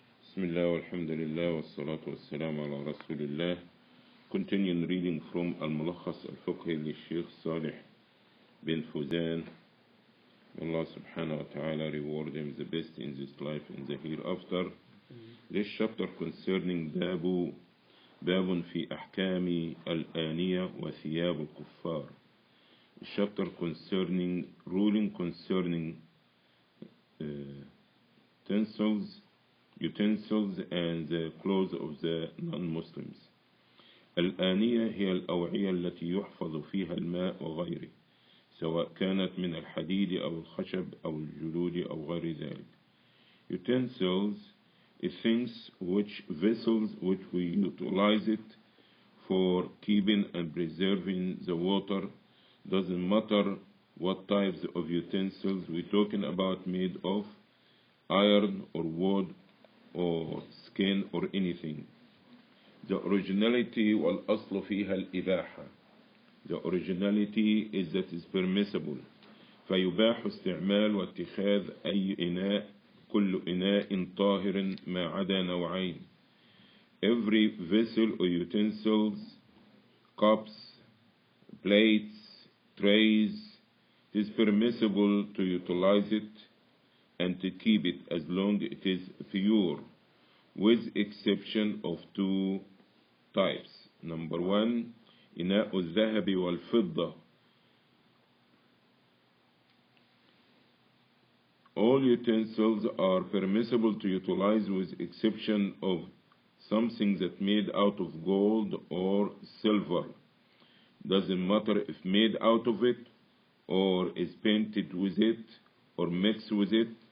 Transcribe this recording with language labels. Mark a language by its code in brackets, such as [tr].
[ar] بسم الله والحمد لله والصلاة والسلام على رسول الله. [en] Continuing reading from الملخص الفقهي للشيخ صالح بن فوزان. May Allah [ar] سبحانه وتعالى [en] reward him the best in this life and the hereafter. This chapter concerning [ar] باب في أحكام الآنية وثياب الكفار. [en] Chapter concerning ruling concerning utensils. Utensils and the clothes of the non-Muslims. [ar] الآنية هي الأوعية التي يحفظ فيها الماء وغيره، سواء كانت من الحديد أو الخشب أو الجلود أو غير ذلك. [en] Utensils, things which vessels which we utilize it for keeping and preserving the water. Doesn't matter what types of utensils we talking about, made of iron or wood or skin or anything. The originality [ar] والأصل فيها الإباحة. [en] The originality is that is permissible. [ar] فيباح استعمال واتخاذ أي إناء، كل إناء طاهر ما عدا نوعين. [en] Every vessel or utensils, cups, plates, trays, it is permissible to utilize it and to keep it as long as it is pure, with exception of two types. Number one, [ar] إناء الذهب والفضة. [en] All utensils are permissible to utilize with exception of something that made out of gold or silver. Doesn't matter if made out of it or is painted with it or mixed with it.